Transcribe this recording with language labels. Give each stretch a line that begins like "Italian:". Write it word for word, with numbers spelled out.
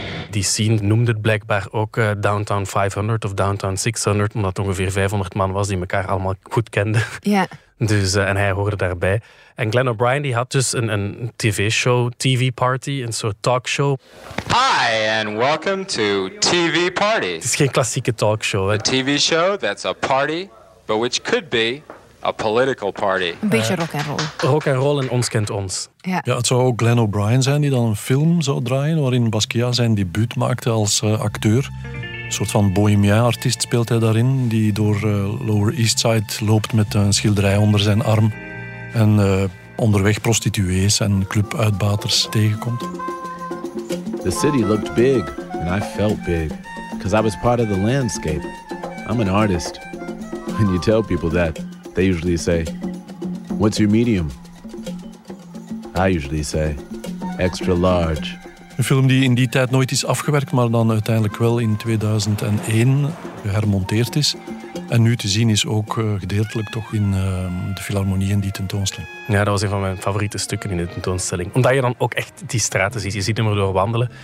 Dutch: Die scene noemde het blijkbaar ook uh, Downtown vijfhonderd of Downtown zeshonderd, omdat het ongeveer vijfhonderd man was die elkaar allemaal goed kenden. Ja. Dus, uh, en hij hoorde daarbij. En Glenn O'Brien die had dus een, een tv-show, T V Party, een soort talkshow.
English: Hi and welcome to T V Party.
Dutch: Het is geen klassieke talkshow.
English: A T V show that's a party, but which could be a political party.
Dutch: Een beetje rock and roll. Rock and roll en Ons kent ons. Ja. Ja, het zou ook Glenn O'Brien zijn die dan een film zou draaien waarin Basquiat zijn debuut maakte als uh, acteur. Een soort van bohemien-artiest speelt hij daarin, die door uh, Lower East Side loopt met een schilderij onder zijn arm. En uh, onderweg prostituees en clubuitbaters tegenkomt.
English: The city looked big and I felt big, because I was part of the landscape. I'm an artist. When you tell people that, they usually say, what's your medium? I usually say, extra large.
Dutch: Een film die in die tijd nooit is afgewerkt, maar dan uiteindelijk wel in tweeduizend één gehermonteerd is. En nu te zien is ook uh, gedeeltelijk toch in uh, de Philharmonie en die tentoonstelling. Ja, dat was een van mijn favoriete stukken in de tentoonstelling. Omdat je dan ook echt die straten ziet. Je ziet hem erdoor wandelen.